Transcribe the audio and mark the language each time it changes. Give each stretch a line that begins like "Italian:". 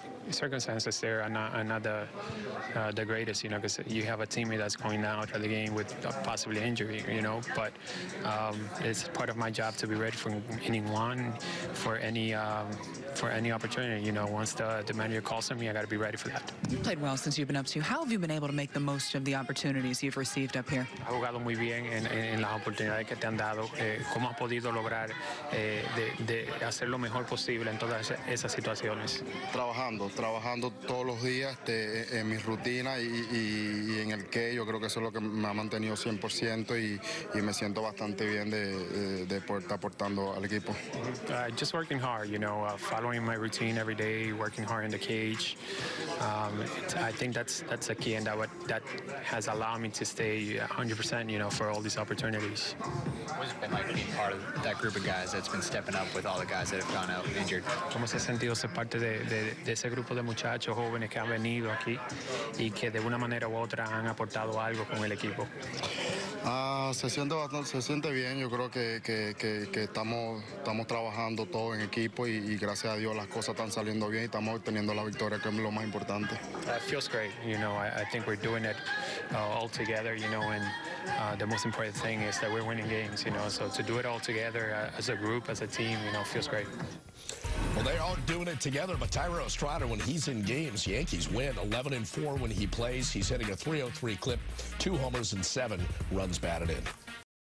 English: Circumstances there are not the greatest, you know, because you have a teammate that's going out of the game with possibly injury, you know, but it's part of my job to be ready for inning one, for any opportunity, you know. Once the manager calls on me, I got to be ready for that. You've played well since you've been up to. How have you been able to make the most of the opportunities you've received up here?
Spanish: He jugado muy bien en las oportunidades que te han dado. ¿Cómo has podido lograr de hacer lo mejor posible en todas esas situaciones? Trabajando todos los días en mi rutina y en el que yo creo que eso es lo que me ha mantenido 100% y me siento bastante bien de poder estar aportando al equipo.
English: Just working hard, you know, following my routine every day, working hard in the cage. I think that's a key, and that has allowed me to stay 100%, you know, for all these opportunities. What's it been like being part of that group of guys that's been stepping up with all the guys that have gone out injured?
Spanish: ¿Cómo se ha sentido ser parte de ese grupo de muchachos jóvenes que han venido aquí y que de una manera u otra han aportado algo con el equipo? Se siente bien. Yo creo que estamos trabajando todo en equipo y gracias a Dios las cosas están saliendo bien y estamos obteniendo la victoria, que es lo más importante.
English: Feels great, you know. I think we're doing it all together, you know, and the most important thing is that we're winning games, you know. So to do it all together as a group, as a team, you know, feels great. Well, they are doing it together, but Thairo Estrada, when he's in games, Yankees win 11-4 when he plays. He's hitting a .303 clip, two homers and seven runs batted in.